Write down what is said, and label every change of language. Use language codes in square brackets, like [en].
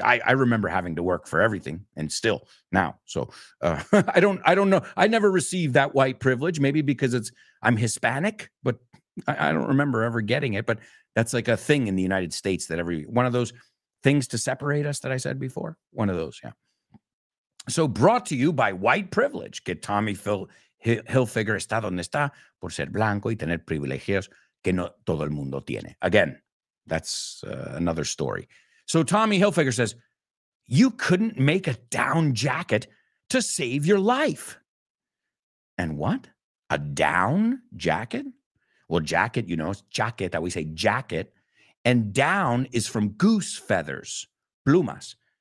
[en] I remember having to work for everything and still now. So I don't know. I never received that white privilege, maybe because I'm Hispanic, but I don't remember ever getting it. But that's like a thing in the United States, that every one of those things to separate us that I said before. One of those, yeah. So brought to you by white privilege. [es] Que Tommy Hilfiger está donde está por ser blanco y tener privilegios que no todo el mundo tiene. [en] Again, that's another story. So Tommy Hilfiger says, you couldn't make a down jacket to save your life. And what? A down jacket? Well, jacket, you know, it's jacket, that we say jacket. And down is from goose feathers, plumas.